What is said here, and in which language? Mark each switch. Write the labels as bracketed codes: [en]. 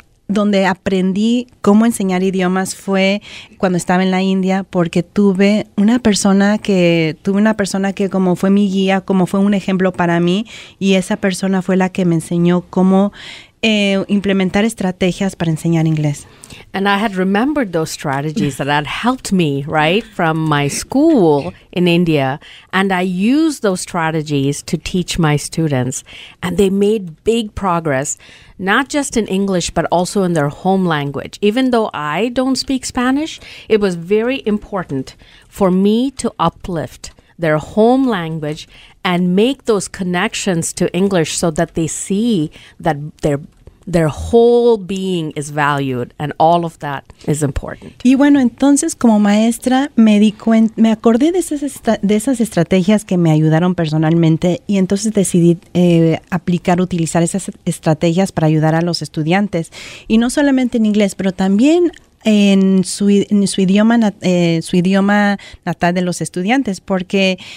[es] donde aprendí cómo enseñar idiomas fue cuando estaba en la India, porque tuve una persona que como fue mi guía, como fue un ejemplo para mí, y esa persona fue la que me enseñó cómo implementar estrategias para enseñar inglés. [en] And I had remembered those strategies that had helped me, right, from my school in India. And I used those strategies to teach my students. And they made big progress, not just in English, but also in their home language. Even though I don't speak Spanish, it was very important for me to uplift their home language and make those connections to English so that they see that their whole being is valued and all of that is important. [es] Y bueno, entonces como maestra me acordé de esas estrategias que me ayudaron personalmente y entonces decidí utilizar esas estrategias para ayudar a los estudiantes y no solamente en inglés, pero también en su idioma natal de los estudiantes, porque